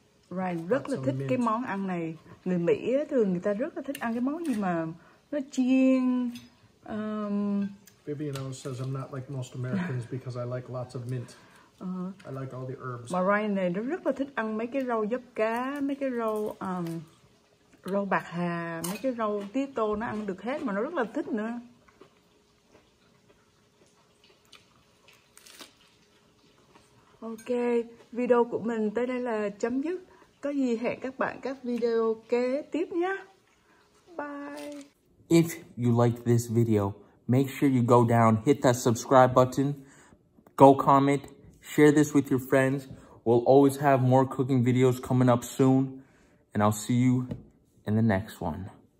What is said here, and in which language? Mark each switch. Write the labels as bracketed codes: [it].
[vi] Ryan rất là thích cái món ăn này. Người Mỹ thường người ta rất là thích ăn cái món gì mà nó chiên. [en] Vivian O says I'm not like most Americans because I like lots of mint. I like all the herbs. [vi] Mà Ryan này nó rất là thích ăn mấy cái rau dấp cá, mấy cái rau rau bạc hà, mấy cái rau tía tô nó ăn được hết mà nó rất là thích nữa. Ok, video của mình tới đây là chấm dứt. Có gì hẹn các bạn các video kế tiếp nhé. [en] Bye. If you liked this video, make sure you go down, hit that subscribe button, go comment, share this with your friends. We'll always have more cooking videos coming up soon, and I'll see you in the next one.